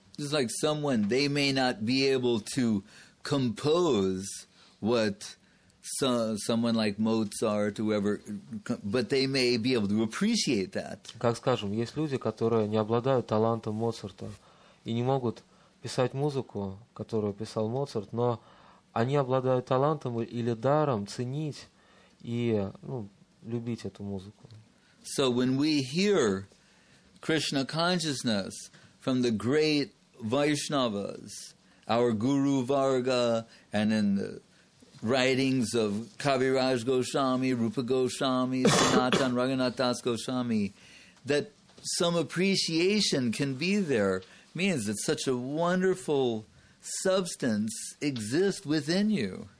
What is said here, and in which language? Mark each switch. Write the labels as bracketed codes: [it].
[en] It's like someone, they may not be able to compose what someone like Mozart, whoever, but they may be able to appreciate that. [ru] Как скажем, есть люди, которые не обладают талантом Моцарта и не могут писать музыку, которую писал Моцарт, но они обладают талантом или даром ценить и, ну, любить эту музыку. [en] So when we hear Krishna consciousness from the great Vaishnavas, our Guru Varga, and in the writings of Kaviraj Goswami, Rupa Goswami, Sanatan Raghunath Das Goswami, that some appreciation can be there means that such a wonderful substance exists within you.